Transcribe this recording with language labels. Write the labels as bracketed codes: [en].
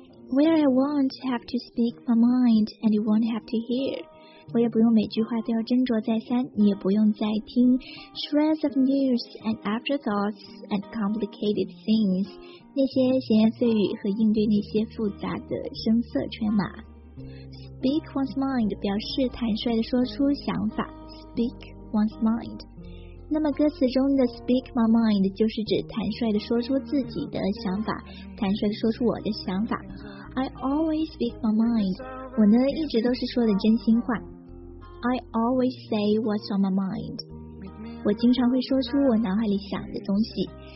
[en] Where I won't have to speak my mind and you won't have to hear. [zh] 我也不用每句话都要斟酌再三，你也不用再听。 [en] Shreds of news and afterthoughts and complicated things. [zh] 那些闲言碎语和应对那些复杂的声色犬马。 [en] Speak one's mind [zh] 表示坦率地说出想法。 [en] Speak one's mind. [zh] 那么歌词中的 [en] speak my mind [zh] 就是指坦率地说出自己的想法，坦率地说出我的想法。 [en] I always speak my mind. [zh] 我呢一直都是说的真心话。 [en] I always say what's on my mind. [zh] 我经常会说出我脑海里想的东西。